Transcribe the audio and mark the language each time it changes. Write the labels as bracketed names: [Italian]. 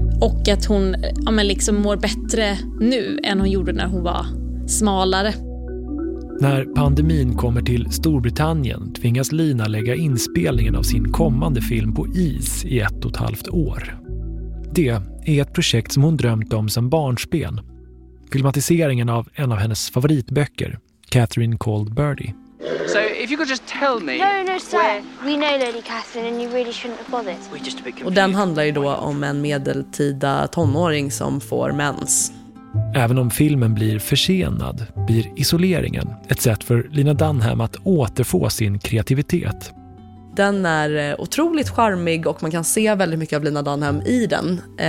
[Swedish] Och att hon liksom mår bättre nu än hon gjorde när hon var smalare. När pandemin kommer till Storbritannien tvingas Lina lägga inspelningen av sin kommande film på is i 1,5 år. Det är ett projekt som hon drömt om sedan barnsben. Filmatiseringen av en av hennes favoritböcker, Catherine Called Birdie. [English] So if you could just tell me. No, no, sir. We know Lady Catherine and you really shouldn't have bothered. We're just a bit confused. [Swedish] Och den handlar ju då om en medeltida tonåring som får mens. Även om filmen blir försenad blir isoleringen ett sätt för Lina Dunham att återfå sin kreativitet. Den är otroligt charmig och man kan se väldigt mycket av Lina Dunham i den.